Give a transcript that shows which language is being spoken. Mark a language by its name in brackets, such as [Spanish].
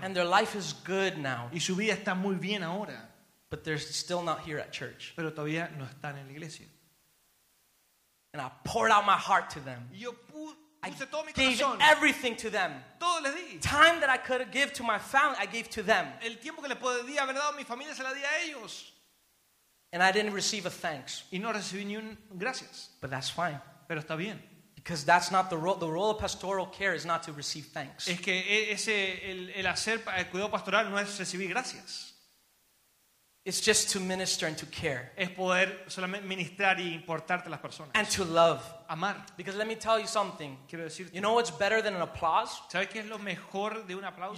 [English] And their life is good now. [Spanish] Y su vida está muy bien ahora. [English] But they're still not here at church. [Spanish] Pero todavía no están en la iglesia. [English] And I poured out my heart to them. I gave everything to them. [Spanish] Todo les di. [English] Time that I could give to my family, I gave to them. [Spanish] El tiempo que le podía haber dado a mi familia se la di a ellos. [English] And I didn't receive a thanks. [Spanish] Y no recibí ni un gracias. [English] But that's fine. [Spanish] Pero está bien. [English] Because that's not the role of pastoral care is not to receive thanks. [Spanish] Es que ese el hacer el cuidado pastoral no es recibir gracias. [English] It's just to minister and to care. [Spanish] Es poder solamente ministrar y importarte a las personas. [English] And to love. [Spanish] Amar. [English] Because let me tell you something. [Spanish] Quiero decirte. [English] You know what's better than an applause? [Spanish] ¿Sabes qué es lo mejor de un aplauso?